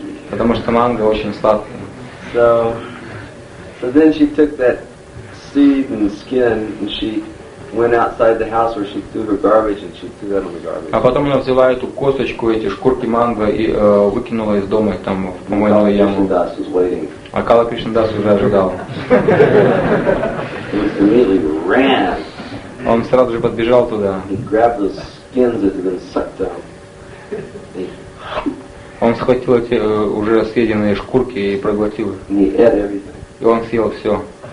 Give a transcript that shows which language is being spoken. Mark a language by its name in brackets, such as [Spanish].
[Russian] Потому что манго очень сладкое. [English] So then she took that seed and skin and she went outside the house where she threw her garbage and she threw that on the garbage. [Russian] А потом она взяла эту косточку, эти шкурки манго и выкинула из дома там в помойную яму. А Кала Кришнадас уже ожидал. [English] He immediately ran. [Russian] Он сразу же подбежал туда. [English] He grabbed the skins that had been sucked out. [Russian] Он схватил эти уже съеденные шкурки и проглотил их. И он съел все.